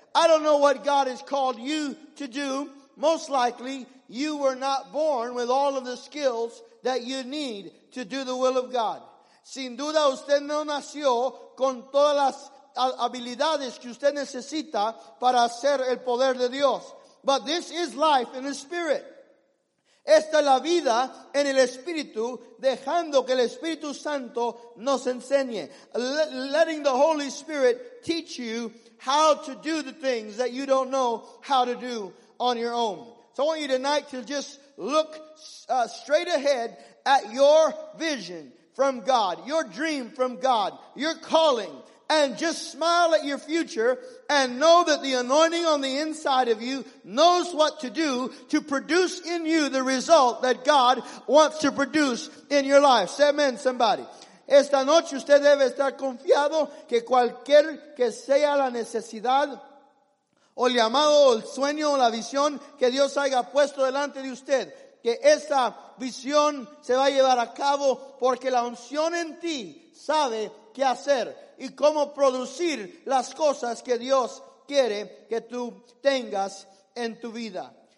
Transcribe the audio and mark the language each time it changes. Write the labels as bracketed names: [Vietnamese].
[English] I don't know what God has called you to do. Most likely, you were not born with all of the skills that you need to do the will of God. [Spanish] Sin duda usted no nació con todas las habilidades que usted necesita para hacer el poder de Dios. [English] But this is life in the spirit. [Spanish] Esta es la vida en el Espíritu, dejando que el Espíritu Santo nos enseñe. [English] Letting the Holy Spirit teach you how to do the things that you don't know how to do on your own. So I want you tonight to just look straight ahead at your vision from God, your dream from God, your calling, and just smile at your future and know that the anointing on the inside of you knows what to do to produce in you the result that God wants to produce in your life. Say amen, somebody. [Spanish] Esta noche usted debe estar confiado que cualquier que sea la necesidad o el llamado o el sueño o la visión que Dios haya puesto delante de usted, que esa visión se va a llevar a cabo porque la unción en ti sabe qué hacer y cómo producir las cosas que Dios quiere que tú tengas en tu vida.